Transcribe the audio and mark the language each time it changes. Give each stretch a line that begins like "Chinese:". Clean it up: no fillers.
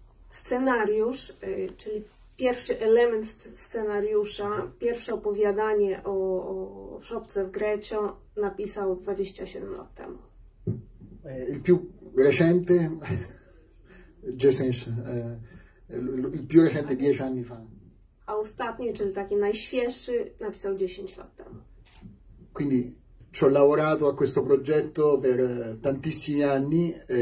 Polish: Scenariusz, czyli pierwszy element scenariusza, pierwsze opowiadanie o szopce w Greccio napisał 27 lat temu.
Italian: Il più recente, il più recente 10 anni fa.
Polish: A ostatni, czyli taki najświeższy, napisał 10 lat temu.
Italian: Quindi ci ho lavorato a questo progetto per tantissimi anni.